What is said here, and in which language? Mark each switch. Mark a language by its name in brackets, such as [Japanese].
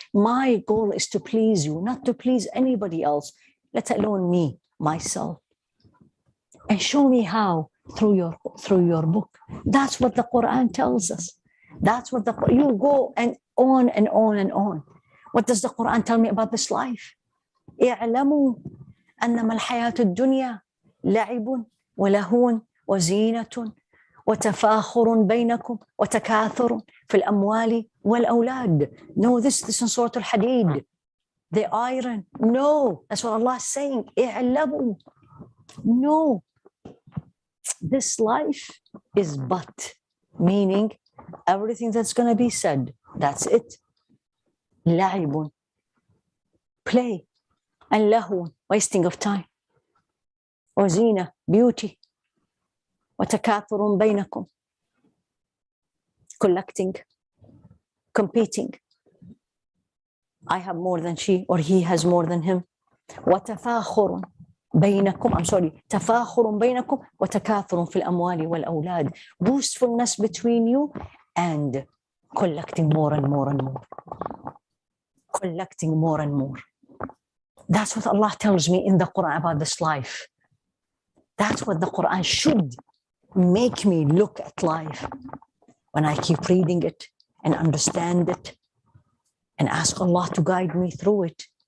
[English] My goal is to please You, not to please anybody else, let alone me, myself. And show me how through your book. That's what the Quran tells us. That's what you go and on and on and on. What does the Quran tell me about this life? [Arabic] اعلموا أنما الحياة الدنيا لعب ولهو وزينة وتفاخر بينكم وتكاثر في الأموال والأولاد. [English] No, this in Surah Al-Hadid. The iron. No, that's what Allah is saying. [Arabic] اعلموا. [English] No, this life is but, meaning everything that's going to be said, that's it. [Arabic] لعب. [English] Play. And لهو, wasting of time. وزينة, beauty. [Arabic] وتكاثر بينكم, [English] collecting, competing. I have more than she, or he has more than him. [Arabic] وتفاخر بينكم. [English] I'm sorry. [Arabic] تفاخر بينكم وتكاثر في الأموال والأولاد. [English] Boastfulness between you and collecting more and more and more. Collecting more and more. That's what Allah tells me in the Quran about this life. That's what the Quran should make me look at life when I keep reading it and understand it and ask Allah to guide me through it.